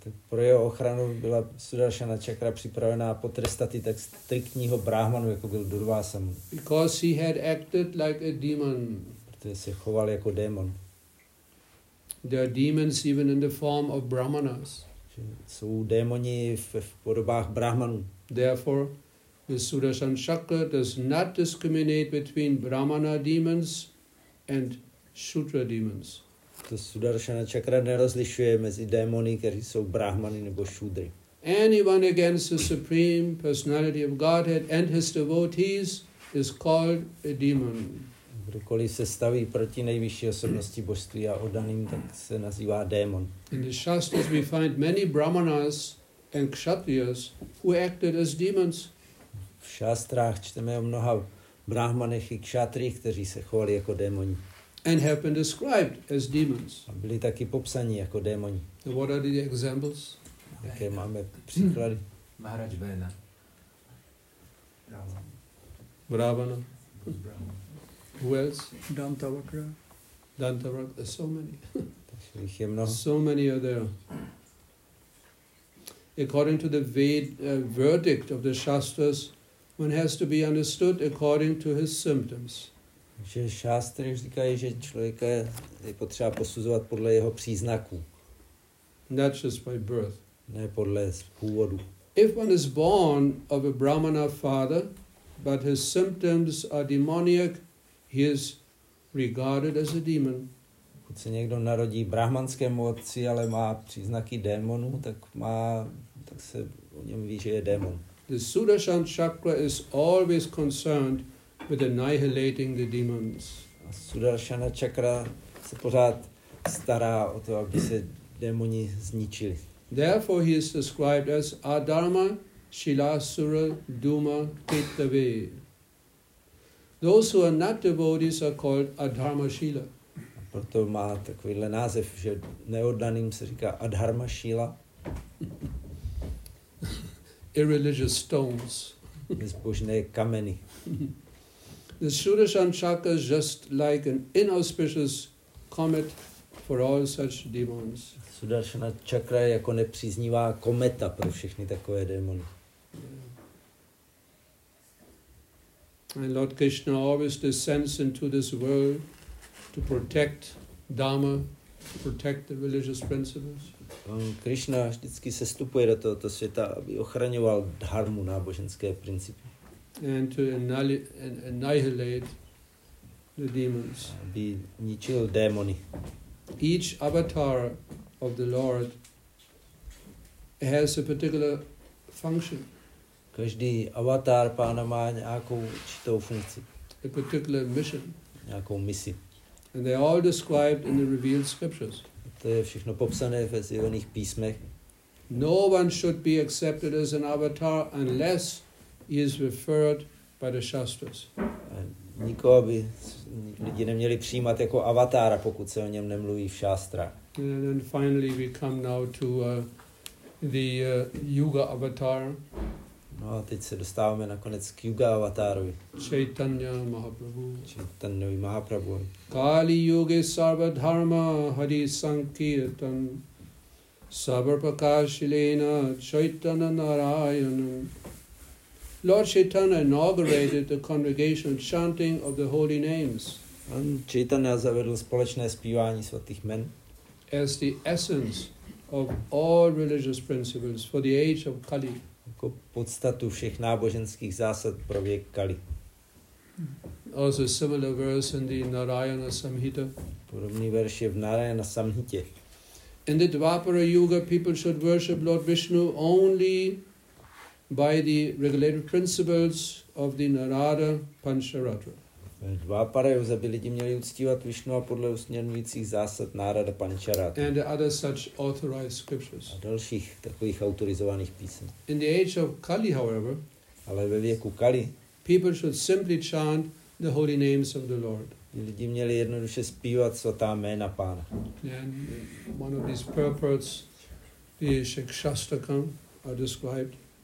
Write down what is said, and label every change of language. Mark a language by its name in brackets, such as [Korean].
[Czech] Pro jeho ochranu byla Sudarshana chakra připravená potrestat i tak striktního brahmanu, jako byl Durvasa Muni. [English] Because he had acted like a demon. [Czech] Protože se choval jako démon. [English] There are demons even in the form of brahmanas. [Czech] Jsou démoni v podobách brahmanů. [English] Therefore, the Sudarshan chakra does not discriminate between brahmana demons and shudra demons. [Czech] To Sudarshana chakra nerozlišuje mezi démony, kteří jsou brahmany nebo šudry. [English] anyone against the Supreme Personality of Godhead and his devotees is called a demon. [Czech] Kdokoliv se staví proti nejvyšší osobnosti božství a oddaným, tak se nazývá démon. [English] In the Shastras we find many brahmanas and kshatriyas who acted as demons. [Czech] V šastrách čteme o mnoha brahmanech i kshatriích, kteří se chovali jako démoni. [English] And have been described as demons. [Czech] A byli taky popsaní jako démoni. [English] So what are the examples? [Czech] Jaké máme příklady? [English] Maharaj Vena. Brahmana. Who else? Dantavakra. Dantavakra. So many. [Czech] Jich je mnoho. [English] So many are there. According to the verdict of the Shastras, one has to be understood according to his symptoms. [Czech] Že šástry říkají, že člověka je potřeba posuzovat podle jeho příznaků. [English] Not just by birth. [Czech] Ne podle původu. [English] If one is born of a Brahmana father, but his symptoms are demoniac, he is regarded as a demon. [Czech] Pokud se někdo narodí brahmanskému otci, ale má příznaky démonu, tak se o něm ví, že je démon. [English] The Sudarshan chakra is always concerned with annihilating the demons. [Czech] A Sudarshana chakra se pořád stará o to, aby se démoni zničili. [English] Therefore he is described as [Sanskrit] Adharma, Shilasura, Duma, Ketave. [English] Those who are not devotees are called Adharmashila. [Czech] A proto má takovýhle název, že neoddaným se říká Adharmashila. [English] Irreligious stones. [Czech] Bezbožné kameny. [English] The Sudarshan chakra is just like an inauspicious comet for all such demons. [Czech] Sudarshana chakra je jako nepříznivá kometa pro všechny takové démony. [English] And Lord Krishna always descends into this world to protect Dharma, to protect the religious principles. [Czech] Krishna vždycky sestupuje do tohoto světa, aby ochraňoval dharmu, náboženské principy. [English] And to annihilate the demons. [Czech] Aby ničil démony. [English] Each avatar of the Lord has a particular function. [Czech] Každý avatar pána má nějakou určitou funkci. [English] A particular mission. [Czech] Nějakou misi. [English] And they are all described in the revealed scriptures. [Czech] To je všechno popsané ve zjevených písmech. [English] No one should be accepted as an avatar unless he is referred by the Shastras. [Czech] Nikoho by lidi neměli přijímat jako avatára, pokud se o něm nemluví v šástrách. [English] And then finally we come now to the Yuga avatar. [Czech] No a teď se dostáváme nakonec k Yuga avatárovi. [English] Chaitanya Mahaprabhu. Chaitanya Mahaprabhu. [Sanskrit] Kali Yuga Sarva Dharma Hari Sankirtan Sabar Prakashilena Chaitanya Narayana. [English] Lord Chaitanya inaugurated the congregation chanting of the holy names. [Czech] On Chaitanya zavedl společné zpívání svatých jmen. [English] As the essence of all religious principles for the age of Kali. [Czech] Jako podstatu všech náboženských zásad pro věk Kali. [English] Also similar verse in the Narayana Samhita. [Czech] Podobný verš je v Narayana Samhitě. [English] In the Dvapara Yuga people should worship Lord Vishnu only by the regulative principles of the Narada Pancharatra. [Czech] Dvapara Yuga by lidi měli uctívat Vishnu a podle usměrnujících zásad Narada Pancharatra. [English] And other such authorized scriptures. [Czech] A dalších takových autorizovaných písem. [English] In the age of Kali, however, [Czech] ale ve věku Kali, [English] people should simply chant the holy names of the Lord. [Czech] Lidi měli jednoduše zpívat svatá jména Pána. [English] And one of these purports, the Shikshastakam, are described.